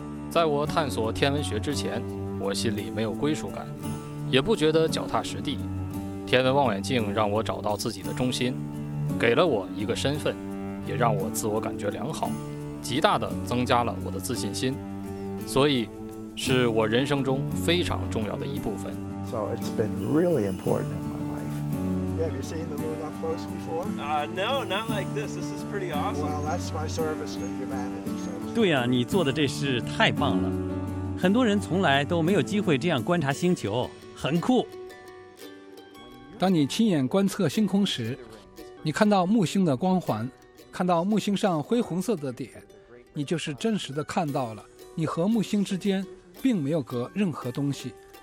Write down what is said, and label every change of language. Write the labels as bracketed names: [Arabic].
[Chinese] 在我探索天文学之前，我心里没有归属感，也不觉得脚踏实地。天文望远镜让我找到自己的中心，给了我一个身份，也让我自我感觉良好，极大地增加了我的自信心，所以是我人生中非常重要的一部分。 [English] So it's been really important in my life. Have you seen the moon up close before? No, not like this. This is pretty awesome. Well, that's my service to humanity. [Chinese] 对啊，你做的这事太棒了，很多人从来都没有机会这样观察星球，很酷。当你亲眼观测星空时，你看到木星的光环，看到木星上灰红色的点，你就是真实的看到了，你和木星之间并没有隔任何东西。